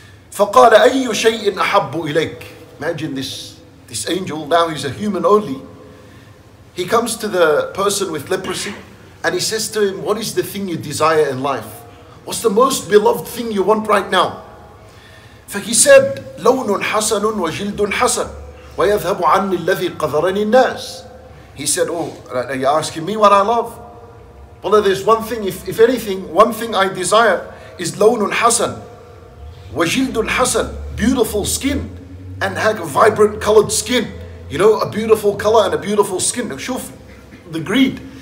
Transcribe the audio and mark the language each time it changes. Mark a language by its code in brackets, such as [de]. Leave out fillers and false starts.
[ar] فَقَالَ أَيُّ شَيْءٍ أَحَبُّ إِلَيْكَ. [en] Imagine this angel, now he's a human only. He comes to the person with leprosy and he says to him, what is the thing you desire in life? What's the most beloved thing you want right now? For he said, [ar] لَوْنٌ حَسَنٌ وَجِلْدٌ حَسَنٌ وَيَذْهَبُ عَنِّ الَّذِي قَذَرَنِ النَّاسِ. [en] He said, are you asking me what I love? Well, there's one thing, one thing I desire is [ar] لَوْنٌ حَسَنٌ وَجِلْدٌ حَسَنٌ, [en] beautiful skin and have a vibrant colored skin. You know, a beautiful color and a beautiful skin. [ar] شوف [en] the greed.